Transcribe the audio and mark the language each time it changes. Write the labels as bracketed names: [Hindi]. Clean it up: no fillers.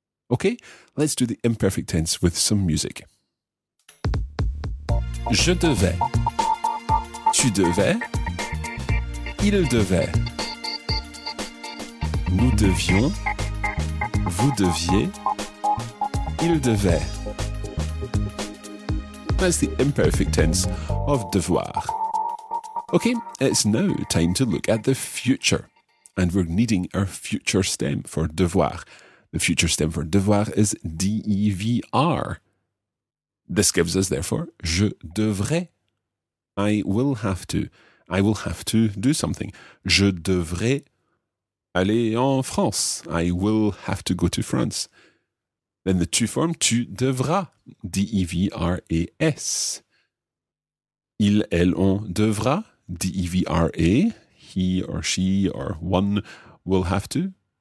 [English] Okay, let's do the imperfect tense with some music. [French] Je devais. Tu devais, il devait, nous devions, vous deviez, il devait. [English] That's the imperfect tense of devoir. Okay, it's now time to look at the future. And we're needing our future stem for devoir. The future stem for devoir is D-E-V-R. This gives us, therefore, [French] je devrais. [English] I will have to. I will have to do something. [French] Je devrais aller en France. [English] I will have to go to France. Then the tu form, [French] tu devras. [English] D-E-V-R-A-S. [French] Il, elle, on devra. D-E-V-R-A. [English] He or she or one will have to.